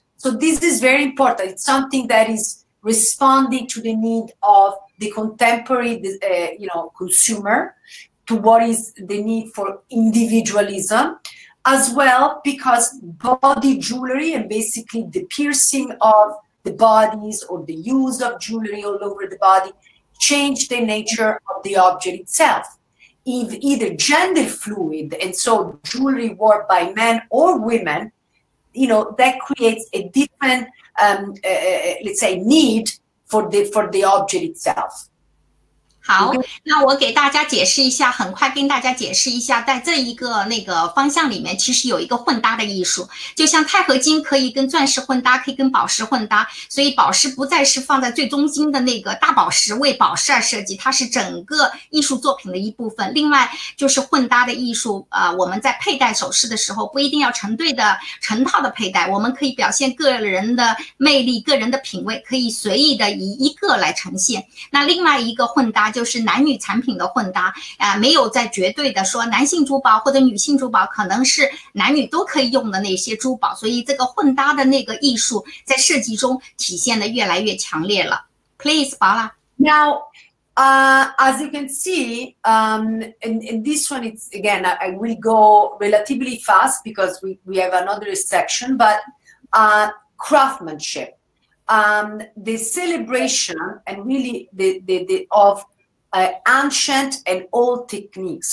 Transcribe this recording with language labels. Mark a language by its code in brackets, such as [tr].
[en] So this is very important. It's something that is responding to the need of the contemporary, consumer, to what is the need for individualism, as well because body jewelry and basically the piercing of the bodies or the use of jewelry all over the body change the nature of the object itself. If either gender fluid, and so jewelry worn by men or women, you know, that creates a different, let's say, need for the object itself. [zh] 好，那我给大家解释一下，很快跟大家解释一下，在这一个那个方向里面，其实有一个混搭的艺术，就像钛合金可以跟钻石混搭，可以跟宝石混搭，所以宝石不再是放在最中心的那个大宝石，为宝石而设计，它是整个艺术作品的一部分。另外就是混搭的艺术，我们在佩戴首饰的时候，不一定要成对的成套的佩戴，我们可以表现个人的魅力，个人的品味，可以随意的以一个来呈现。那另外一个混搭就是男女产品的混搭，没有在绝对的说男性珠宝或者女性珠宝可能是男女都可以用的那些珠宝，所以这个混搭的那个艺术在设计中体现的越来越强烈了。 [en] Please, Paola. Now, as you can see, in this one, it's again, I will go relatively fast because we have another section, but craftsmanship, the celebration and really the ofancient and old techniques.